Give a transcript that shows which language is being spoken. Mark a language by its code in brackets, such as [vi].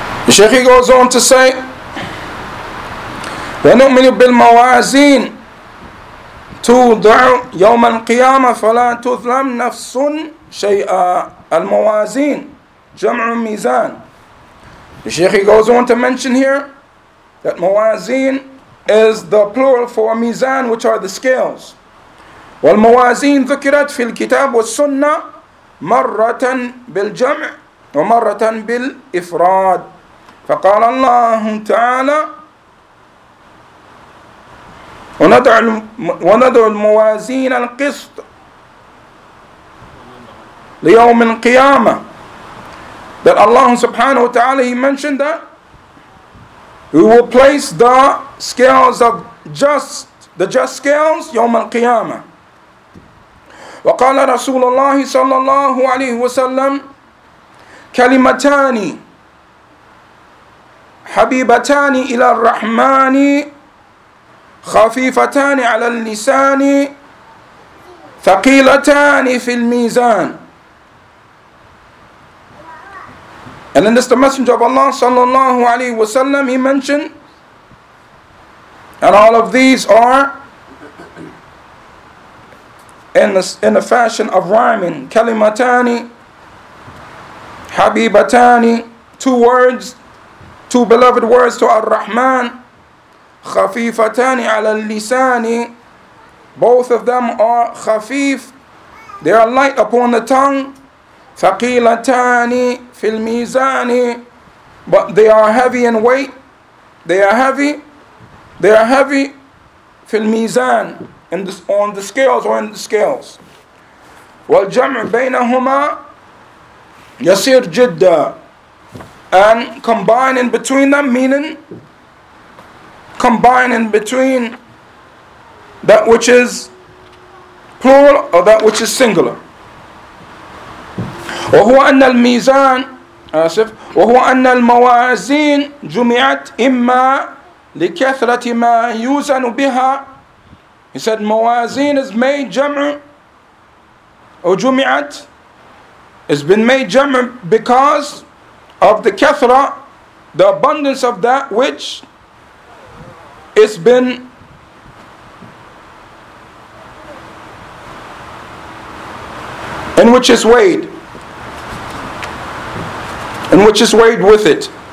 [en] Sheikh goes on to say, [ar] وَنُؤْمِنُ بِالْمَوَازِينَ تُوْضَعُ يَوْمَ الْقِيَامَةِ فَلَا تُظْلَمْ نَفْسٌ شَيْئًا. الموازين جَمْعُ ميزان. [en] The Sheikh goes on to mention here that موازين is the plural for ميزان, which are the scales. [ar] والموازين ذكرت في الكتاب والسنة مرة بالجمع ومرة بالإفراد. فقال الله تعالى ونضع الموازين القسط ليوم القيامة. [en] That Allah subhanahu wa ta'ala, he mentioned that we will place the scales of the just scales [ar] يوم القيامة. وقال رسول الله صلى الله عليه وسلم كلمتاني حبيبتان إلى الرحمن خفيفتان على اللسان ثقيلتان في الميزان. [en] And then this is the Messenger of Allah sallallahu alayhi wa sallam, he mentioned, and all of these are in the fashion of rhyming. [ar] كلمتان حبيبتان, [en] two words, two beloved words to Ar-Rahman, [ar] خَفِيفَتَانِ عَلَى اللِّسَانِ, [en] both of them are خَفِيف, they are light upon the tongue, [ar] ثَقِيلَتَانِ فِي الْمِيزَانِ, [en] but they are heavy in weight, they are heavy, [ar] فِي الْمِيزَانِ, [en] on the scales. [ar] وَالْجَمْعُ بَيْنَهُمَا يَسِيرْ جِدَّا. [en] And combining between them, meaning combining between that which is plural or that which is singular. [ar] وهو أن الميزان آسف وهو أن الموازين جمعت إما لكثرة ما يوزن بها. [en] He said موازين is made جمع or جمعت, it's been made جمع because of the kathra, the abundance of that which has been in which is weighed with it.